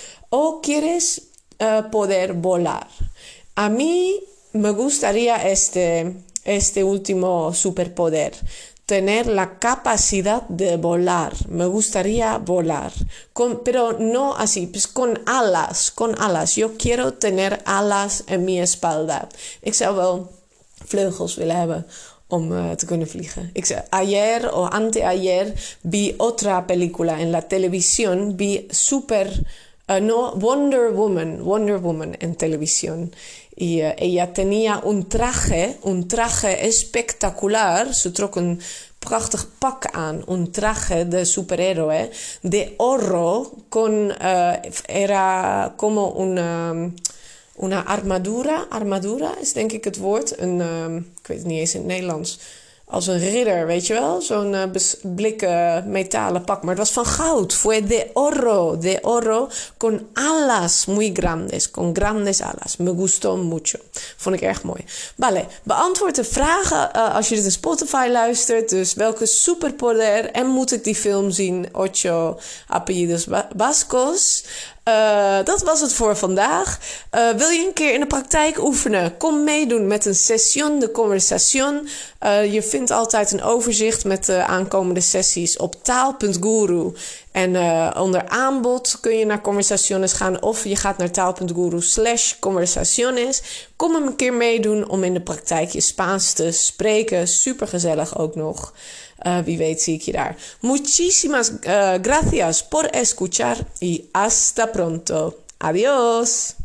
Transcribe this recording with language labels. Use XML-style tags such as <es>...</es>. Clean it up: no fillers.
<es>O quieres poder volar. A mí me gustaría este último superpoder. Tener la capacidad de volar. Me gustaría volar. Pero no así, pues con alas. Yo quiero tener alas en mi espalda.</es> <nl>Ik zou wel vleugels willen hebben om te kunnen vliegen.</nl> <es>Ayer o anteayer vi otra película en la televisión. Vi Super. No, Wonder Woman en televisión. Y ella tenía un traje espectacular. Se trocó un</es> <nl>prachtig pak aan.</nl> <es>Un traje de superhéroe. De oro. Con, era como una armadura.</es> <nl>Armadura is denk ik het woord. Een, ik weet het niet eens in het Nederlands. Als een ridder, weet je wel? Zo'n blikken metalen pak. Maar het was van goud.</nl> <es>Fue de oro. De oro con alas muy grandes. Con grandes alas. Me gustó mucho.</es> <nl>Vond ik erg mooi. Vale, beantwoord de vragen als je dit in Spotify luistert. Dus welke superpoder en moet ik die film zien? Ocho apellidos vascos. Dat was het voor vandaag. Wil je een keer in de praktijk oefenen? Kom meedoen met een session de conversación. Je vindt altijd een overzicht met de aankomende sessies op taal.guru. En onder aanbod kun je naar conversaciones gaan. Of je gaat naar taal.guru/conversaciones. Kom hem een keer meedoen om in de praktijk je Spaans te spreken. Supergezellig ook nog. Wie weet zie ik je daar.</nl> <es>Muchísimas gracias por escuchar y hasta pronto. Adiós.</es>